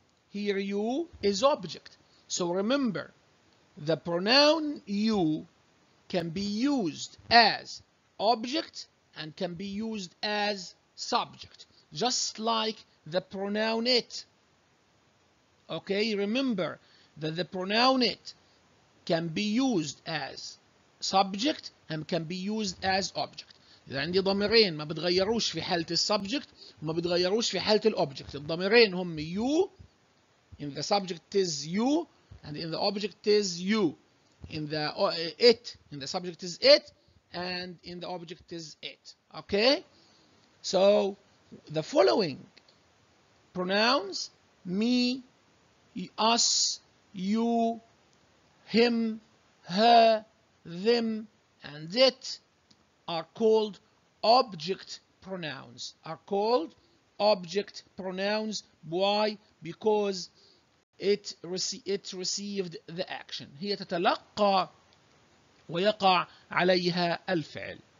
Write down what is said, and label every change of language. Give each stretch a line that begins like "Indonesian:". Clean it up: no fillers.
English: Here you is object. So remember, the pronoun you can be used as object and can be used as subject, just like the pronoun it. Okay, remember that the pronoun it can be used as subject and can be used as object.
Arabic: إذا عندي ضميرين ما بتغيروش في حالة subject وما بتغيروش في حالة object. الضميرين هم
English: you, in the subject is you, and in the object is you. In the it, in the subject is it, and in the object is it. Okay? So, the following pronouns, me, us, you, him, her, them, and it, are called object pronouns. Are called object pronouns. Why? Because it received the action.
Arabic: هي تتلقى ويقع عليها الفعل.